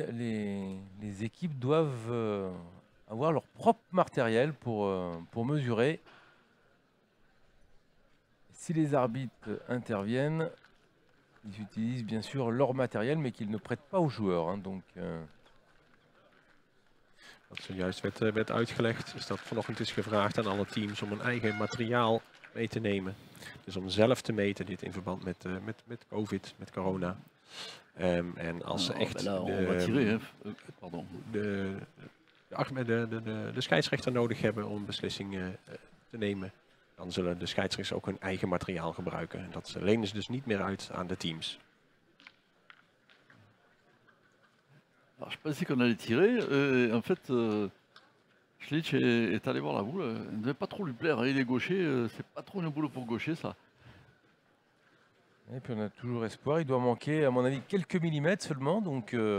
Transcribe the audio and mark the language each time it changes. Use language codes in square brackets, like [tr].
[fr] Les équipes doivent avoir leur propre matériel pour mesurer. Si les arbitres interviennent, ils utilisent bien sûr leur matériel, mais qu'ils ne prêtent pas aux joueurs. [nl] Wat zojuist werd uitgelegd, is dat vanochtend is gevraagd aan alle teams om hun eigen materiaal mee te nemen. Dus om zelf te meten, dit in verband met COVID, met corona. En als ze echt de scheidsrechter nodig hebben om beslissingen te nemen, dan zullen de scheidsrechters ook hun eigen materiaal gebruiken. En dat lenen ze dus niet meer uit aan de teams. [fr] Alors, je pensais qu'on allait tirer. En fait, Schlitz est allé voir la boule. Il ne devait pas trop lui plaire. Il est gaucher. C'est pas trop une boule pour gaucher, ça. Et puis on a toujours espoir. Il doit manquer, à mon avis, quelques millimètres seulement. Donc,